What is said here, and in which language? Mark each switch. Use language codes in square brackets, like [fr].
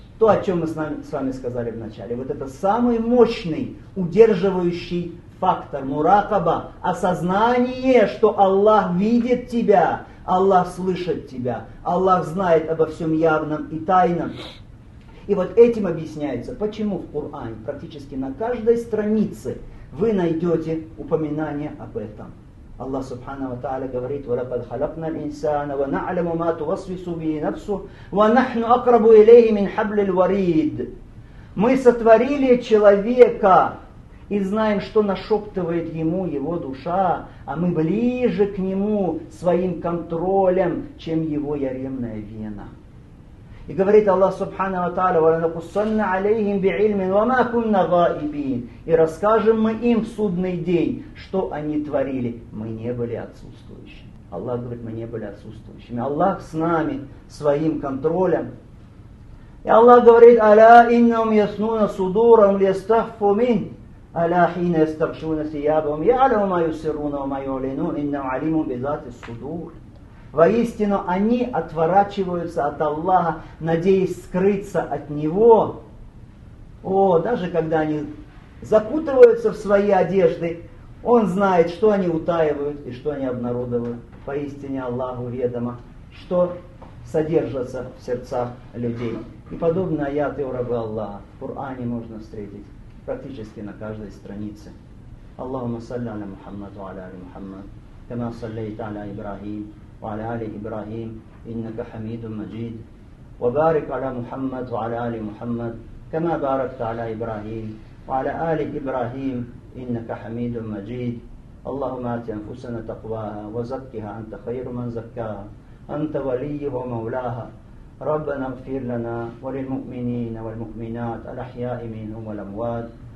[ru] То, о чем мы с вами сказали в начале. Вот это самый мощный, удерживающий фактор, муракаба, осознание, что Аллах видит тебя, Аллах слышит тебя, Аллах знает обо всем явном и тайном. И вот этим объясняется, почему в Коране практически на каждой странице вы найдете упоминание об этом. Аллах Субхана ва Тааля говорит: [ar] وَلَقَدْ خَلَقْنَا الْإِنسَانَ وَنَعْلَمُ مَا تُوَسْوِسُ بِهِ نَفْسُهُ وَنَحْنُ أَقْرَبُ إِلَيْهِ مِنْ حَبْلِ الْوَرِيدِ. [ru] Мы сотворили человека и знаем, что нашептывает ему его душа, а мы ближе к нему своим контролем, чем его яремная вена. И говорит Аллах Субхана ва Тааля: [ar] وَلَنَقُصَّنَّ عَلَيْهِمْ بِعِلْمٍ وَمَا كُنَّ غَائِبِينَ. [ru] И расскажем мы им в судный день, что они творили. Мы не были отсутствующими. Аллах говорит, мы не были отсутствующими. Аллах с нами, своим контролем. И Аллах говорит: [ar] أَلَا إِنَّهُمْ يَسْنُونَ صُدُورًا لِيَسْتَخْفُوا مِنْ أَلَا حِينَ يَسْتَغْشُونَ ثِيَابَهُمْ يَعْلَمُ مَا يُسِرُّونَ وَمَا يُعْلِنُونَ إِنَّهُ عَلِيمٌ بِذَاتِ الصُّدُورِ. [ru] Воистину, они отворачиваются от Аллаха, надеясь скрыться от Него. О, даже когда они закутываются в свои одежды, Он знает, что они утаивают и что они обнародовывают. Поистине Аллаху ведомо, что содержится в сердцах людей. И подобные аяты у раба Аллаха в Коране можно встретить практически на каждой странице. [ar] Аллахумма салли аля Мухаммаду аля али Мухаммад, кама саллайта аля Ибрахим. وعلى آل إبراهيم إنك حميد مجيد وبارك على محمد وعلى آل محمد كما باركت على إبراهيم وعلى آل إبراهيم إنك حميد مجيد اللهم آت أنفسنا تقواها وزكها أنت خير من زكاها أنت وليها ومولاها ربنا اغفر لنا وللمؤمنين والمؤمنات الأحياء منهم والأموات